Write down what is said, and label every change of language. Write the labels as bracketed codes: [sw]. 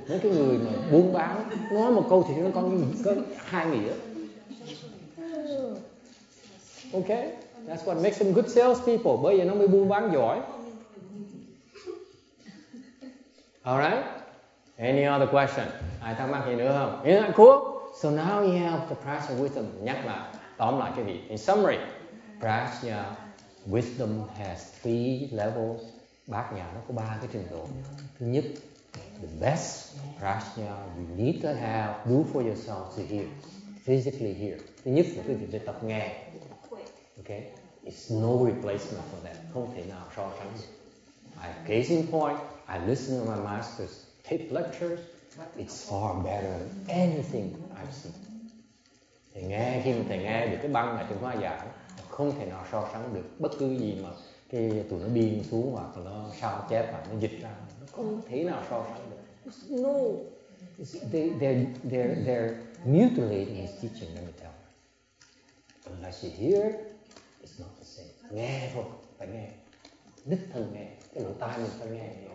[vi] Nếu cái người mà buôn bán nói một câu thì nó có hai nghĩa. [en] Okay, that's what makes them good sales people. [vi] Bởi vì nó mới buôn bán giỏi. [en] All right. Any other question? [vi] Ai thắc mắc gì nữa không? [en] Isn't that cool? So now you have the prajna wisdom. [vi] Nhắc lại, tóm lại cái gì? [en] In summary, prajna wisdom has three levels. [vi] Bát nhã nó có ba cái trình độ. Thứ nhất, [en] the best prajna you need to have, do for yourself to hear, physically hear. [vi] Thứ nhất là quý vị phải tập nghe. [en] Okay? It's no replacement for that. [vi] Không thể nào so sánh được. [en] I have case in point, I listen to my master's tape lectures, it's far better than anything I've seen. [vi] Thầy nghe, khi mà thầy nghe được cái băng này trong hoa giảng, không thể nào so sánh được bất cứ gì mà cái tụi nó biên xuống hoặc nó sao chép hoặc nó dịch ra, nó không thể nào so sánh được. [en] It's no. It's, they're mutilating his teaching, let me tell you. Unless you hear, it's not the same. [vi] Nghe thôi, phải nghe. Đích thân nghe, cái lỗ tai mình phải nghe.